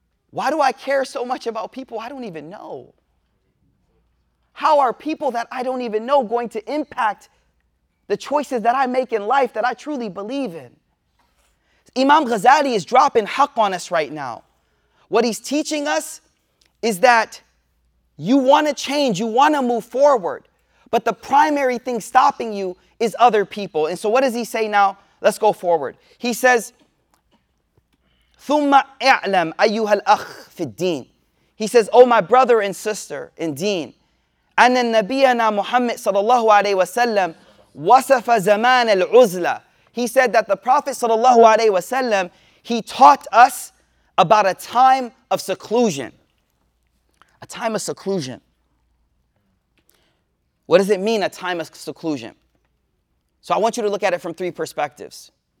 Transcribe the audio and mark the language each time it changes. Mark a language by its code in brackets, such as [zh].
[en] Why do I care so much about people I don't even know? How are people that I don't even know going to impact the choices that I make in life that I truly believe in? Imam Ghazali is dropping haqq on us right now. What he's teaching us is that you want to change, you want to move forward, but the primary thing stopping you is other people. And so what does he say now? Let's go forward. He says, [ar] ثُمَّ أَعْلَمْ أَيُّهَا الْأَخْ فِي الدِّينِ. [en] He says, oh, my brother and sister in deen, [ar] أَنَّ النَّبِيَّنَا مُحَمَّدٍ صَلَى اللَّهُ عَلَيْهِ وَسَلَّمْ وَصَفَ زَمَانَ الْعُزْلَ. [en] He said that the Prophet صلى الله عليه وسلم, he taught us about a time of seclusion. A time of seclusion. What does it mean, a time of seclusion? So I want you to look at it from three perspectives.